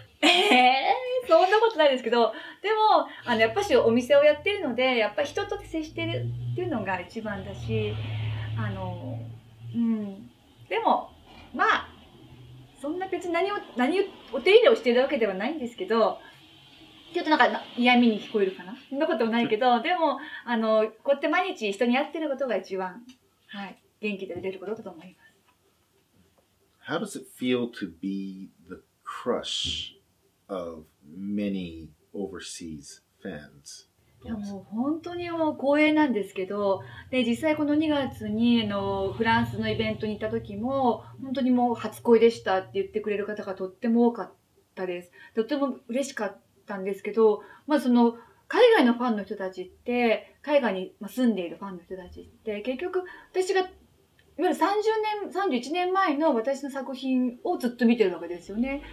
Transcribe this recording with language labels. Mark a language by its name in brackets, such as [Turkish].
[Japanese] そんなことないですけど、でもやっぱしお店をやってるので、やっぱ人と接してるっていうのが一番だし、うん、でもまあそんな別に何をお手入れをしてるわけではないんですけど、ちょっとなんか嫌味に聞こえるかな、そんなこともないけど、でもこうやって毎日人に会ってることが一番、はい、元気で出ることだと思います。 [English] How does it feel to be the crush of many overseas fans? [Japanese] いやもう本当にもう光栄なんですけど、で実際この2月にフランスのイベントに行った時も本当にもう初恋でしたって言ってくれる方がとっても多かったです。とても嬉しかったんですけど、まあその海外のファンの人たちって、海外に住んでいるファンの人たちって結局私がいわゆる31年前の私の作品をずっと見てるわけですよね。